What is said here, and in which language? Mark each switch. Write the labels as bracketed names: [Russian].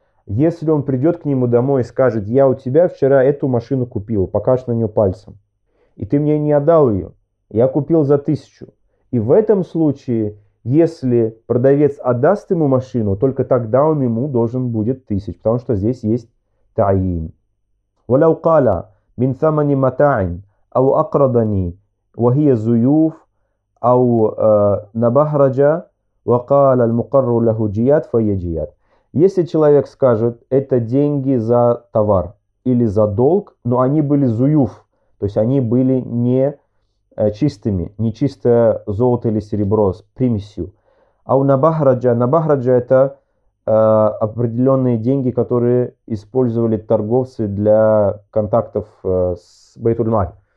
[Russian] Если он придет к нему домой и скажет, я у тебя вчера эту машину купил, покажешь на нее пальцем, и ты мне не отдал ее, я купил за 1000. И в этом случае, если продавец отдаст ему машину, только тогда он ему должен будет 1000, потому что здесь есть таин. [Arabic] ولو قال من ثمن متاع او اقرضني وهي زيوف او نبهرج وقال المقر له جيات فيجيات. [Russian] Если человек скажет, это деньги за товар или за долг, но они были зуюф, То есть они были не чистыми, не чистое золото или серебро с примесью. А у Набахараджа, Набахараджа это определенные деньги, которые использовали торговцы для контактов с Байтульмаль.